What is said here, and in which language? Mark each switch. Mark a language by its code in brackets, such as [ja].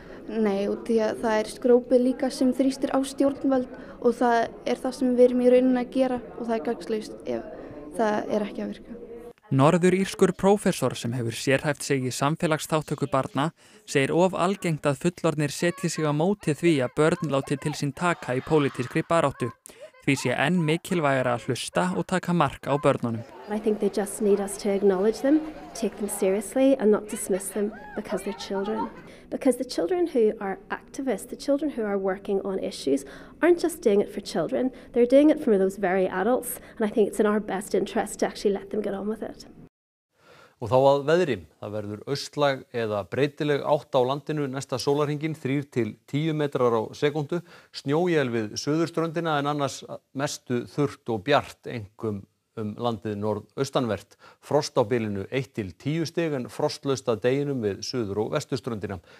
[is] Nei, út því að það er skrópið líka sem þrýstir á stjórnvöld og það er það sem við erum í rauninni að gera og það er gagnslaust ef það er ekki að virka. Norður írskur prófessor sem hefur sérhæft sig í samfélagsþáttöku barna segir of algengt að fullorðnir setji sig á móti því að börn láti til sín taka í pólitískri baráttu. Því sé enn mikilvægara að hlusta og taka mark á börnunum. [en] I think they just need us to acknowledge them, take them seriously and not dismiss them because they're children. Because the children who are activists, the children who are working on issues, aren't just doing it for children, they're doing it for those very adults and I think it's in our best interest to actually let them get on with it. [is] Og þá að veðri, það verður austlæg eða breytileg átt á landinu næsta sólarhringin 3-10 metrar á sekundu, snjóél við suðurströndina en annars mestu þurrt og bjart einkum landið norðaustanvert, frost á bilinu 1-10 stig en frostlaust að deginum við suður og vesturströndina.